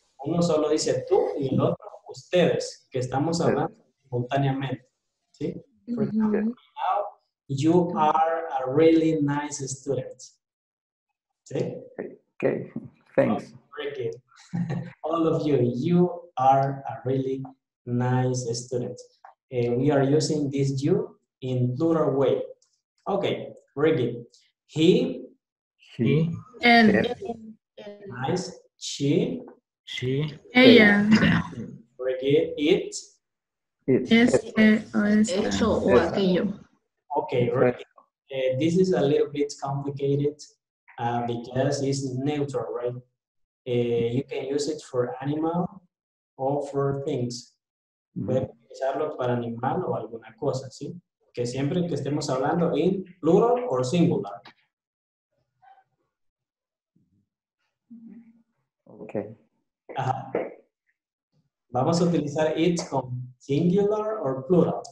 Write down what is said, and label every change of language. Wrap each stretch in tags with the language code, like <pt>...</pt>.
<es>Uno solo dice tú y el otro ustedes, que estamos hablando simultáneamente. ¿sí?</es> <en>For example, now you are a really nice student.</en> <es>¿Sí?</es> <en>Okay, thanks. Okay. All of you, you are a really nice student. We are using this you in plural way. Okay, Ricky. He. And. Nice. She. She.</en> <es>Ella.</es> <en>Ricky, it.</en> <es>Es. Hecho o aquello.</es> <en>Okay, Ricky. This is a little bit complicated because it's neutral, right? You can use it for animal or for things.</en> <es>Puede utilizarlo para animal o alguna cosa, ¿sí? Que siempre que estemos hablando en plural o singular.</es> <en>Ok.</en> <es>Ajá. Vamos a utilizar it con singular o plural.</es>